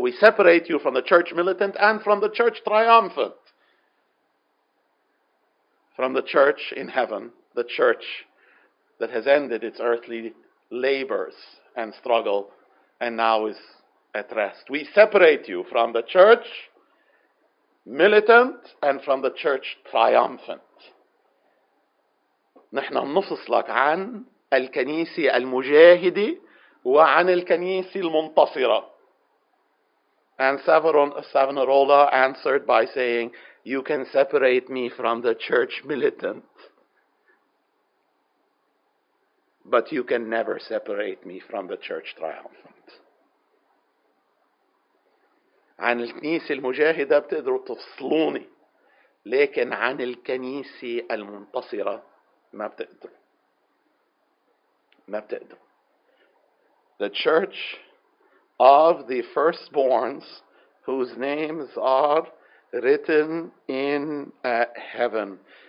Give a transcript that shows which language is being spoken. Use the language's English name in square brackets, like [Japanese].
[English] We separate you from the church militant and from the church triumphant, from the church in heaven, the church that has ended its earthly labors and struggle and now is at rest. We separate you from the church militant and from the church triumphant. [Arabic] نحن نفصلك عن الكنيسة المجاهدة وعن الكنيسة المنتصرة. [English] And Savonarola answered by saying, you can separate me from the church militant, but you can never separate me from the church triumphant. [Arabic] عن الكنيسة المجاهدة بتقدروا تفصلوني لكن عن الكنيسة المنتصرة ما بتقدروا. ما بتقدروا. [English] The church of the firstborns whose names are written in heaven.